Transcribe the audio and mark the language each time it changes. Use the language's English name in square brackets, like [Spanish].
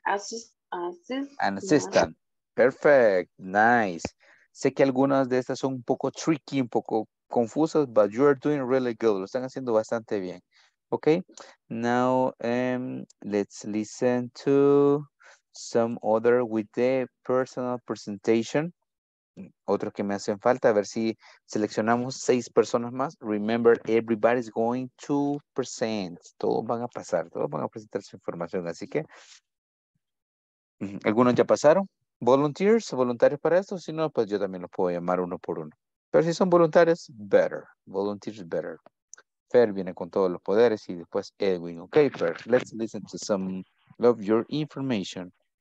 [English] assistant. Perfect, nice. [Spanish] Sé que algunas de estas son un poco tricky, un poco confusas, [English] but you are doing really good. [Spanish] Lo están haciendo bastante bien. [English] Okay, now let's listen to some other with the personal presentation. [Spanish] Otros que me hacen falta, a ver si seleccionamos seis personas más. [English] Remember, everybody's going to present. [Spanish] Todos van a pasar, todos van a presentar su información. Así que, ¿algunos ya pasaron? Volunteers, voluntarios para esto. Si no, pues yo también los puedo llamar uno por uno. Pero si son voluntarios, [English] better. Volunteers, better. [Spanish] Fer viene con todos los poderes y después Edwin. [English] Okay, Fer, let's listen to some of your information.